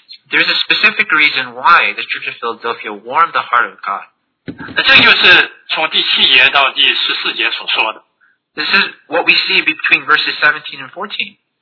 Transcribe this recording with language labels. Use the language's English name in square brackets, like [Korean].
[English] There's a specific reason why the Church of Philadelphia warmed the heart of God. [Chinese] 那这就是从第七节到第十四节所说的。 [English] This is what we see between verses 17 and 14.